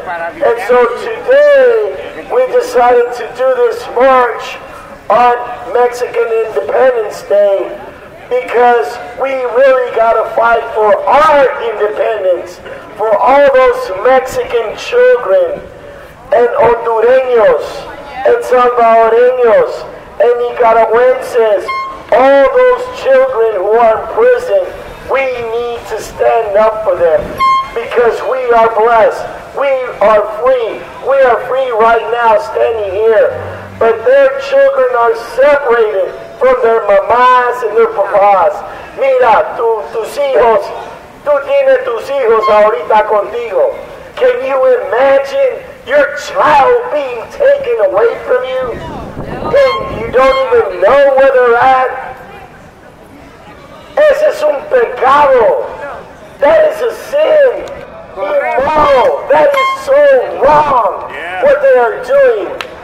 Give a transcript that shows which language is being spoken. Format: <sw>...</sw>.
<en>And so today, we decided to do this march on Mexican Independence Day because we really gotta fight for our independence, for all those Mexican children and Hondureños and Salvadoreños and Nicaragüenses, all those children who are in prison. We need to stand up for them because we are blessed. We are free. We are free right now standing here. But their children are separated from their mamás and their papás.</en> <es>Mira, tus hijos, tú tienes tus hijos ahorita contigo.</es> <en>Can you imagine your child being taken away from you? And you don't even know where they're at?</en> <es>Ese es un pecado.</es> <en>That is a sin. Immoral. That is so wrong, yeah, what they are doing.</en>